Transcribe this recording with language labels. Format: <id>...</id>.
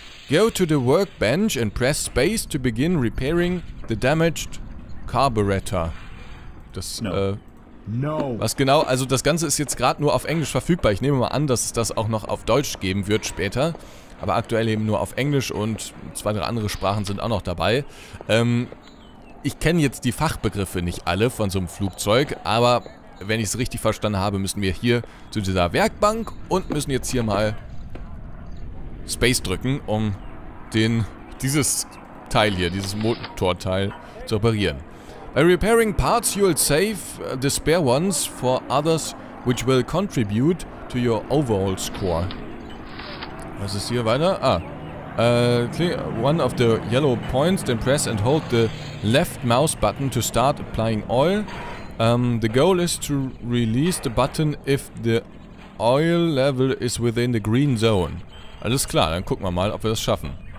<en>Go to the workbench and press space to begin repairing the damaged carburetor.</en> <de>Was genau, also das Ganze ist jetzt gerade nur auf Englisch verfügbar. Ich nehme mal an, dass es das auch noch auf Deutsch geben wird später. Aber aktuell eben nur auf Englisch, und 2, 3 andere Sprachen sind auch noch dabei. Ich kenne jetzt die Fachbegriffe nicht alle von so einem Flugzeug, aber wenn ich es richtig verstanden habe, müssen wir hier zu dieser Werkbank und müssen jetzt hier mal Space drücken, um dieses Teil hier, dieses Motorteil zu reparieren.</de> <en>By repairing parts, you'll save the spare ones for others, which will contribute to your overall score.</en> <de>Was ist hier weiter?</de> <en>Clear one of the yellow points, then press and hold the left mouse button to start applying oil. The goal is to release the button if the oil level is within the green zone.</en> <de>Alles klar, dann gucken wir mal, ob wir das schaffen.</de>